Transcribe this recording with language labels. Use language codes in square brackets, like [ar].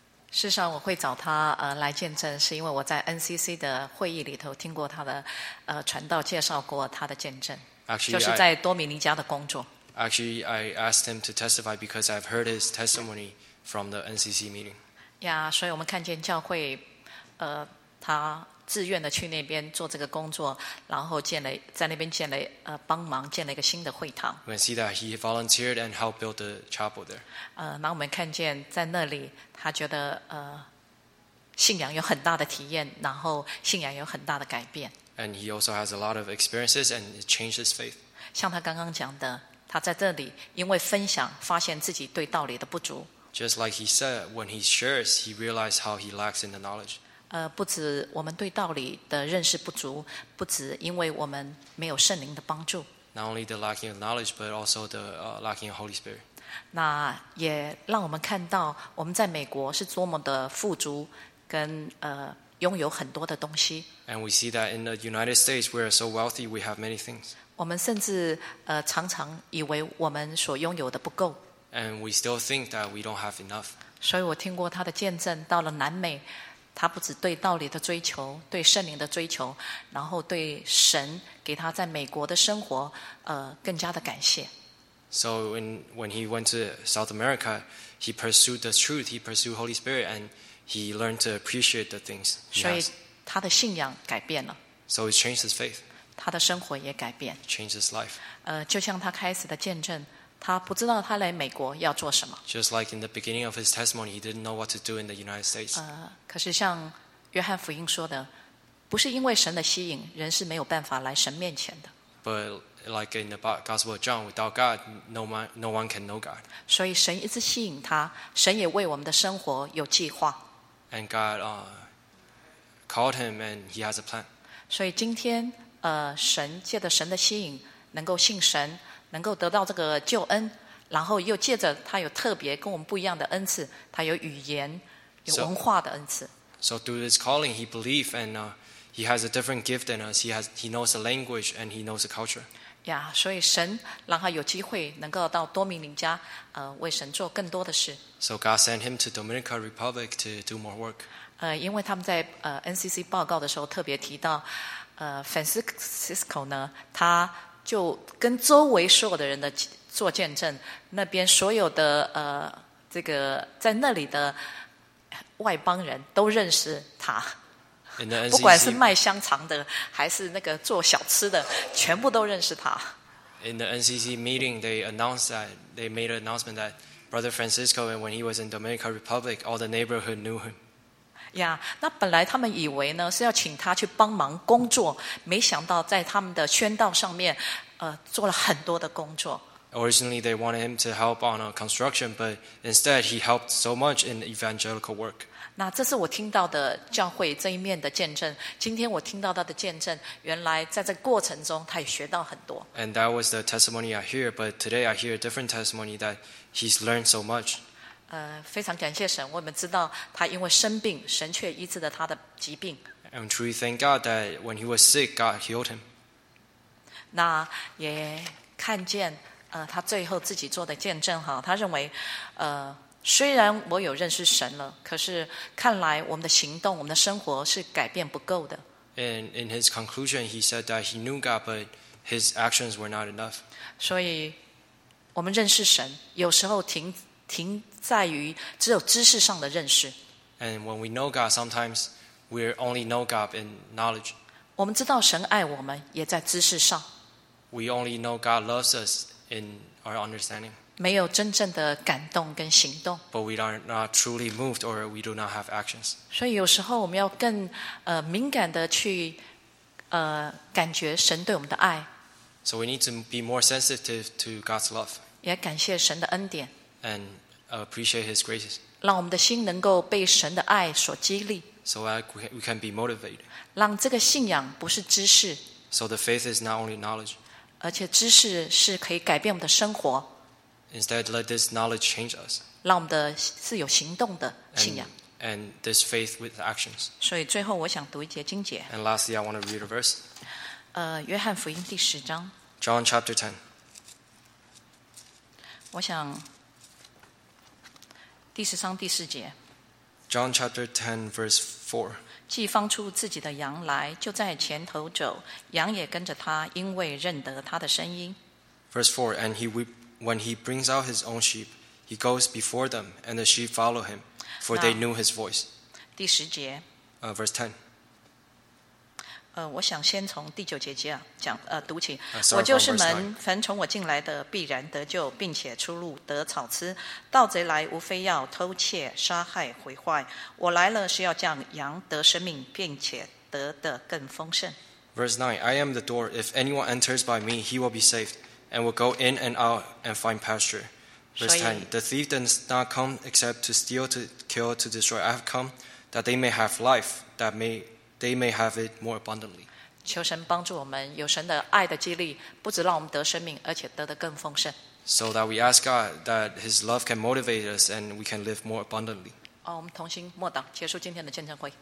[zh] 事实上我会找他来见证是因为我在 NCC 的会议里头听过他的传道介绍过他的见证 [en] Actually, [zh] 就是在多米尼加的工作 [en] Actually, I asked him to testify because I've heard his testimony from the NCC meeting [zh] yeah, 所以我们看见教会他自愿的去那边做这个工作然后建了在那边建了帮忙建了一个新的会堂 [en] We see that he volunteered and helped build the chapel there [zh] 然后我们看见在那里他觉得信仰有很大的体验然后信仰有很大的改变 [en] And he also has a lot of experiences and it changed his faith [zh] 像他刚刚讲的他在这里因为分享发现自己对道理的不足 [en] Just like he said when he shares he realized how he lacks in the knowledge [zh] 不止我们对道理的认识不足，不止因为我们没有圣灵的帮助。 [en] Not only the lacking of knowledge, but also the lacking of Holy Spirit. [zh] 那也让我们看到我们在美国是多么的富足，跟拥有很多的东西。 [en] And we see that in the United States, we are so wealthy, we have many things. [zh] 我们甚至常常以为我们所拥有的不够。 [en] And we still think that we don't have enough. [zh] 所以我听过他的见证，到了南美，他不只对道理的追求，对圣灵的追求，然后对神给他在美国的生活，更加的感谢。 [en] So when he went to South America, he pursued the truth, he pursued Holy Spirit, and he learned to appreciate the things. [zh] 所以他的信仰改变了。 [en] So he changed his faith. [zh] 他的生活也改变。 [en] Changed his life. [zh] 就像他开始的见证。他不知道他来美国要做什么。 [en] Just like in the beginning of his testimony, he didn't know what to do in the United States. [zh] 可是像约翰福音说的，不是因为神的吸引，人是没有办法来神面前的。 [en] But like in the Gospel of John, without God, no one can know God. [zh] 所以神一直吸引他，神也为我们的生活有计划。 [en] And God called him, and he has a plan. [zh] 所以今天，神借着神的吸引，能够信神。能够得到这个救恩，然后又借着他有特别跟我们不一样的恩赐，他有语言、有文化的恩赐。 [en] So through his calling, he believed, and he has a different gift than us. He knows the language and he knows the culture. [zh] Yeah, 所以神让他有机会能够到多米尼加，为神做更多的事。 [en] So God sent him to Dominican Republic to do more work. [zh] 因为他们在NCC 报告的时候特别提到，Francisco 呢，他。就跟周围所有的人的做见证，那边所有的这个在那里的外邦人都认识他。 [en] In the NCC, [zh] 不管是卖香肠的，还是那个做小吃的，全部都认识他。 [en] In the NCC meeting, they announced that they made an announcement that Brother Francisco, and when he was in Dominican Republic, all the neighborhood knew him. [zh] Yeah, 那本来他们以为呢是要请他去帮忙工作，没想到在他们的宣道上面，做了很多的工作。 [en] Originally, they wanted him to help on a construction, but instead he helped so much in evangelical work. [zh] 那这是我听到的教会这一面的见证。今天我听到他的见证，原来在这过程中他也学到很多。 [en] And that was the testimony I hear, but today I hear a different testimony that he's learned so much. [zh] 非常感谢神，我们知道他因为生病，神却医治了他的疾病。 [en] And truly thank God that when he was sick, God healed him. [zh] 那也看见他最后自己做的见证哈，他认为虽然我有认识神了，可是看来我们的行动、我们的生活是改变不够的。 [en] And in his conclusion, he said that he knew God, but his actions were not enough. [zh] 所以我们认识神，有时候停在于只有知识上的认识。 [en] And when we know God, sometimes we only know God in knowledge. [zh] 我们知道神爱我们，也在知识上。 [en] We only know God loves us in our understanding. [zh] 没有真正的感动跟行动。 [en] But we are not truly moved, or we do not have actions. [zh] 所以有时候我们要更敏感的去感觉神对我们的爱。 [en] So we need to be more sensitive to God's love. [zh] 也感谢神的恩典。 [en] And appreciate His graces. [zh] 让我们的心能够被神的爱所激励。 [en] So we can be motivated. [zh] 让这个信仰不是知识。 [en] So the faith is not only knowledge. [zh] 而且知识是可以改变我们的生活。 [en] Instead, let this knowledge change us. [zh] 让我们的是有行动的信仰。 [en] And this faith with actions. [zh] 所以最后我想读一节经节。 [en] And lastly, I want to read a verse. [zh] 约翰福音第十章。 [en] John chapter 10. [zh] 我想。第十章第四节 [en] John chapter 10 verse 4 [zh] 既放出自己的羊来就在前头走羊也跟着他因为认得他的声音 [en] Verse 4 And when he brings out his own sheep he goes before them and the sheep follow him for they knew his voice [zh] 第十节 [en] Verse [zh] 10 我想先从第九节讲读起 [en] sorry, [zh] 我就是门凡从我进来的必然得救并且出入得草吃盗贼来无非要偷窃杀害毁坏我来了是要将羊得生命并且得的更丰盛 [en] Verse 9 I am the door if anyone enters by me he will be saved and will go in and out and find pasture Verse 10 The thief does not come except to steal to kill to destroy I have come that they may have life that they may have it more abundantly [zh] 求神帮助我们有神的爱的激励不只让我们得生命而且得的更丰盛 [en] So that we ask God that His love can motivate us and we can live more abundantly. [zh] 我们同心默祷，结束今天的见证会。